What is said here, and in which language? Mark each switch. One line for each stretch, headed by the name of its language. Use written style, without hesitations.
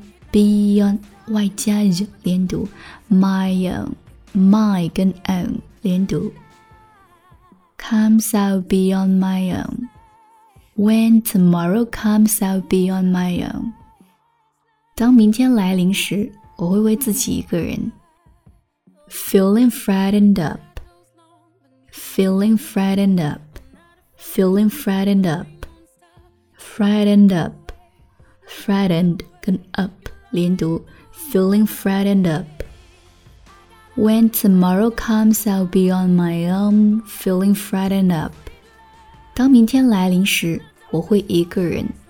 English: Be on,
Chinese: 外加 z 连读。
English: My own,
Chinese: my 跟 own 连读。
English: Comes, I'll be on my own. When tomorrow comes, I'll be on my own.
Chinese: 当明天来临时，我会为自己一个人。
English: Feeling frightened up. Frightened up.
Chinese: Frightened 跟 up 连读。
English: Feeling frightened up. When tomorrow comes, I'll be on my own. Feeling frightened up.
Chinese: 当明天来临时，我会一个人。